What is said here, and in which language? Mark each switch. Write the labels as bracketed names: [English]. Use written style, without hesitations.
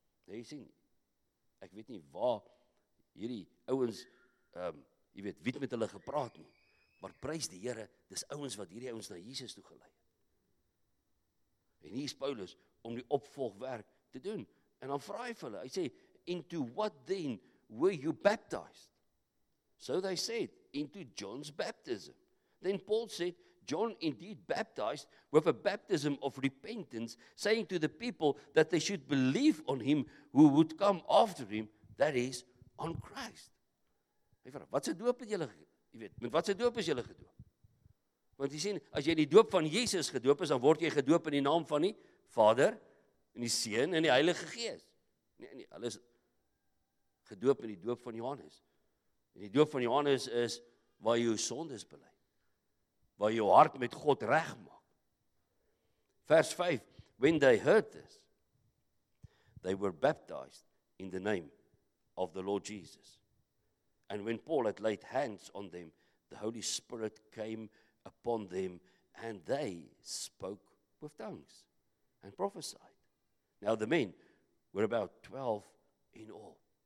[Afrikaans] Jy sien, ek weet nie waar hierdie ouens, jy weet, wie het met hulle gepraat nie, maar prys die Here, dis ouens wat hierdie ouens na Jesus toe gelei. En hier is Paulus om die opvolgwerk te doen. En dan vraag hy vir hulle, hy sê, [English] into what then were you baptized? So they said, into John's baptism. Then Paul said, John indeed baptized with a baptism of repentance, saying to the people that they should believe on him who would come after him, that is, on Christ. [Afrikaans] Hy vraag, wat se doop het julle, jy weet, met wat se doop is julle gedoop? Want jy sien, as jy in die doop van Jesus gedoop is, dan word jy gedoop in die naam van die Vader, en die Seun, en die Heilige Gees. Nee, hulle is gedoop in die doop van Johannes. En die doop van Johannes is waar jy jou sondes bely. Waar jy jou hart met God reg maak. [English] Vers 5, when they heard this, they were baptized in the name of the Lord Jesus. And when Paul had laid hands on them, the Holy Spirit came upon them, and they spoke with tongues and prophesied. Now the men were about 12 in all.